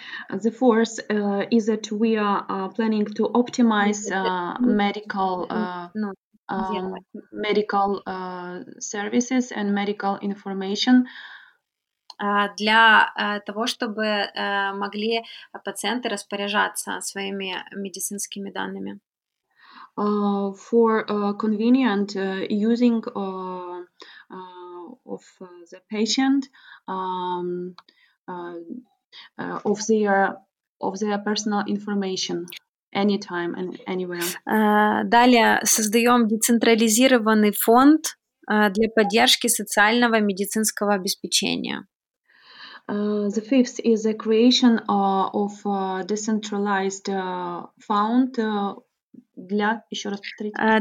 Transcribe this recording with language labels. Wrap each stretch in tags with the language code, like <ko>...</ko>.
<en>The fourth is that we are planning to optimize medical services and medical information.</en> <ru>Для того, чтобы могли пациенты распоряжаться своими медицинскими данными.</ru> <en>For convenient using of the patient of their personal information anytime and anywhere.</en> <ru>Далее создаем децентрализированный фонд для поддержки социального медицинского обеспечения.</ru> <en>The fifth is the creation of a decentralized fund</en> <ru>для, еще раз повторите.</ru>